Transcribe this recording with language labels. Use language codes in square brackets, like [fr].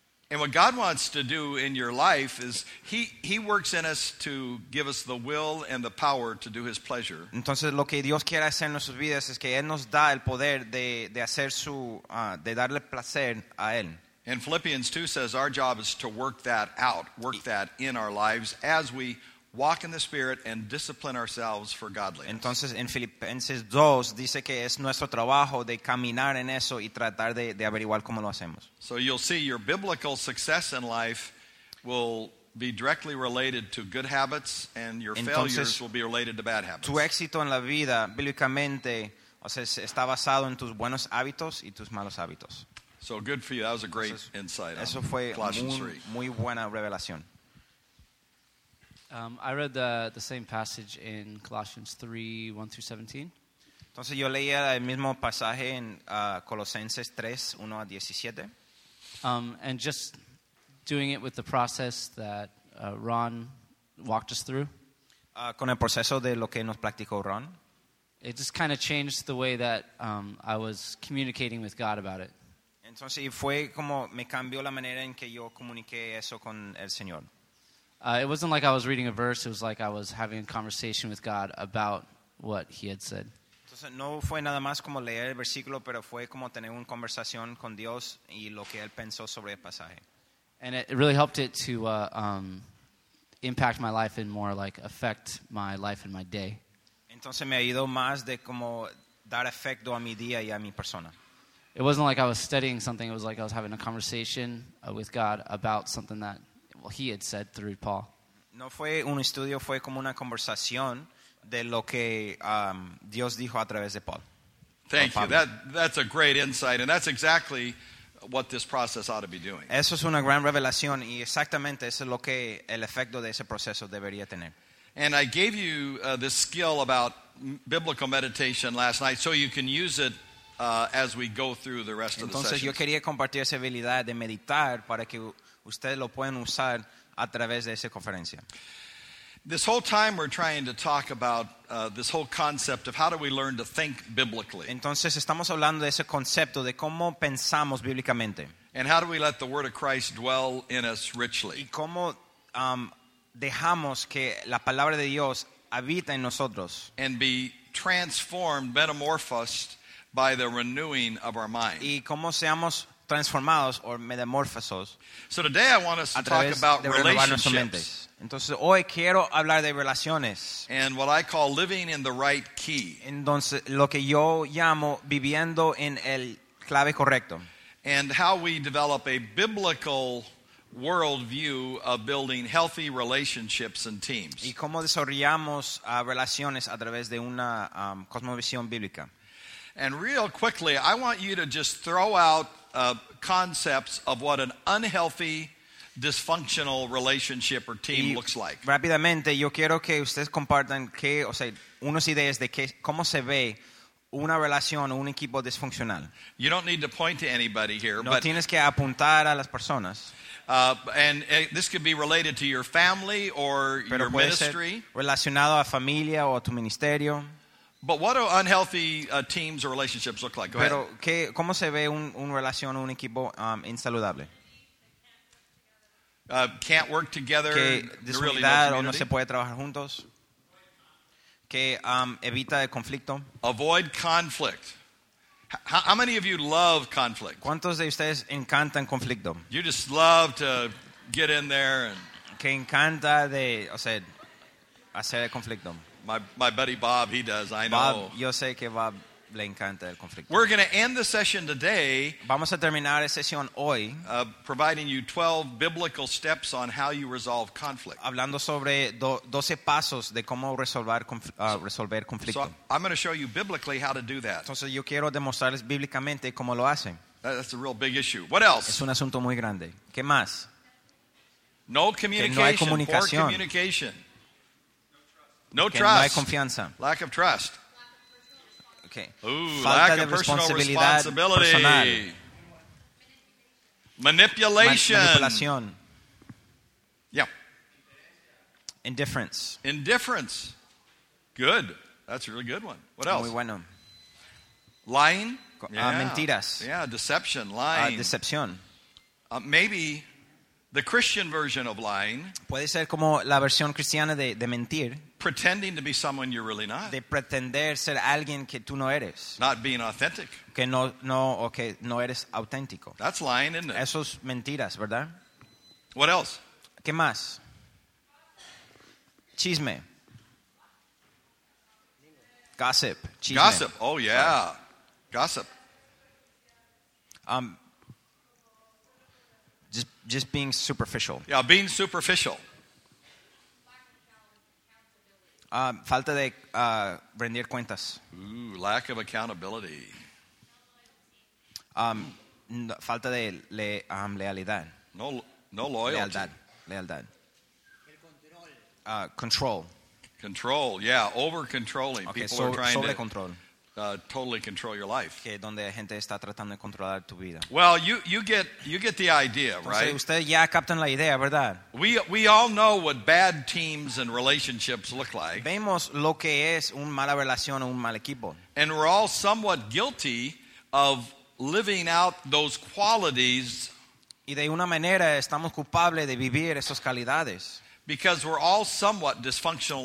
[en] And what God wants to do in your life is he works in us to give us the will and the power to do his pleasure. [es] Entonces lo que Dios quiere hacer en nuestras vidas es que él nos da el poder de hacer su de darle placer a él. [en] And Philippians 2 says our job is to work that out, work that in our lives as we walk in the Spirit and discipline ourselves for godliness. [es] Entonces en Filipenses 2 dice que es nuestro trabajo de caminar en eso y tratar de averiguar cómo lo hacemos. [en] So you'll see your biblical success in life will be directly related to good habits, and your failures will be related to bad habits. [es] Tu éxito en la vida, bíblicamente, o sea, está basado en tus buenos hábitos y tus malos hábitos. [en] So good for you. That was a great insight. [es] Eso fue muy buena revelación. [en] I read the same passage in Colossians 3:1-17. [es] Entonces yo leía el mismo pasaje en Colosenses 3:1-17. [en] And just doing it with the process that Ron walked us through. [es] Con el proceso de lo que nos practicó Ron. [en] It just kind of changed the way that I was communicating with God about it. [es] Entonces fue como me cambió la manera en que yo comuniqué eso con el Señor. [en] It wasn't like I was reading a verse. It was like I was having a conversation with God about what he had said. [es] Entonces, no fue nada más como leer el versículo, pero fue como tener una conversación con Dios y lo que él pensó sobre el pasaje. [en] And it really helped it to impact my life and more like affect my life and my day. [es] Entonces me ayudó más de como dar efecto a mi día y a mi persona. [en] It wasn't like I was studying something. It was like I was having a conversation with God about something that he had said through Paul. [es] No fue un estudio, fue como una conversación de lo que Dios dijo a través de Paul. [en] Thank you. That's a great insight, and that's exactly what this process ought to be doing. [es] Eso es una gran revelación, y exactamente eso es lo que el efecto de ese proceso debería tener. [en] And I gave you this skill about biblical meditation last night, so you can use it as we go through the rest [es] Entonces, [en] of the session. [es] Entonces yo quería compartir esa habilidad de meditar para que ustedes lo pueden usar a través de esa conferencia. [en] This whole time we're trying to talk about this whole concept of how do we learn to think biblically. [es] Entonces estamos hablando de ese concepto de cómo pensamos bíblicamente. [en] And how do we let the word of Christ dwell in us richly. [es] Y cómo dejamos que la palabra de Dios habite en nosotros. [en] And be transformed, metamorphosed by the renewing of our mind. [es] Y cómo seamos transformados o metamorfosos. [en] So today I want us to talk about relationships. [es] Entonces hoy quiero hablar de relaciones. [en] And what I call living in the right key. [es] Entonces lo que yo llamo viviendo en el clave correcto. [en] And how we develop a biblical worldview of building healthy relationships and teams. [es] Y cómo desarrollamos relaciones a través de una cosmovisión bíblica. [en] And real quickly, I want you to just throw out concepts of what an unhealthy, dysfunctional relationship or team looks like. [es] Rápidamente, yo quiero que ustedes compartan que, o sea, unas ideas de que, cómo se ve una relación o un equipo disfuncional. [en] You don't need to point to anybody here, [es] no tienes que apuntar a las personas. [en] And this could be related to your family or [es] pero [en] your ministry. [es] Relacionado a familia o a tu ministerio. [en] But what do unhealthy teams or relationships look like? Go [es] pero [en] ahead. [es] Que, ¿cómo se ve una relación o un equipo insaludable? [en] Can't work together. [es] Que disunidad o no se puede trabajar juntos. Que evita el conflicto. [en] Avoid conflict. How many of you love conflict? [es] ¿Cuántos de ustedes encantan conflicto? [en] You just love to get in there. And [es] que encanta de, o sea, hacer el conflicto. [en] My buddy Bob, he does, I know. [es] Bob, yo sé que Bob le encanta el conflicto. [en] We're going to end the session today. [es] Vamos a terminar la sesión hoy. [en] Providing you 12 biblical steps on how you resolve conflict. [es] Hablando sobre 12 pasos de cómo resolver conflicto. [en] So I'm going to show you biblically how to do that. [es] Entonces yo quiero demostrarles bíblicamente cómo lo hacen. [en] That's a real big issue. What else? [es] Es un asunto muy grande. ¿Qué más? [en] No communication. [es] Que no hay comunicación. [en] Poor communication. No trust. [es] No hay confianza. [en] Lack of trust. Okay. Ooh, [es] falta [en] lack [es] de [en] of personal responsibility. Manipulation. [es] Manipulación. [en] Yeah. Indifference. Indifference. Good. That's a really good one. What else? [es] Muy bueno. [en] Lying. [es] Yeah. Mentiras. [en] Yeah, deception. Lying. [es] Decepción. [en] Maybe the Christian version of lying. [es] Puede ser como la versión cristiana de mentir. [en] Pretending to be someone you're really not. [es] De pretender ser alguien que tú no eres. [en] Not being authentic. [es] Que no o que no eres auténtico. [en] That's lying, isn't it? [es] Eso es mentiras, ¿verdad? [en] What else? [es] ¿Qué más? Chisme. [en] Gossip. Chisme. Gossip. Oh yeah. Oh. Gossip. Just being superficial. Yeah, being superficial. [es] Falta de rendir cuentas. [en] Ooh, lack of accountability. [es] Falta de lealidad. [en] No loyalty. [es] Lealdad. [en] Control. Control, yeah, over controlling. Okay, people are trying [es] sobre control. [en] Totally control your life. [es] Que donde la gente está tratando de controlar tu vida. [en] Well, you get the idea, [es] entonces, [en] right? [es] Usted ya captan la idea, ¿verdad? [en] We all know what bad teams and relationships look like. [es] Vemos lo que es una mala relación o un mal equipo. [en] And we're all somewhat guilty of living out those qualities. [es] Y de una manera estamos culpables de vivir esas calidades. [en] Because we're all somewhat dysfunctional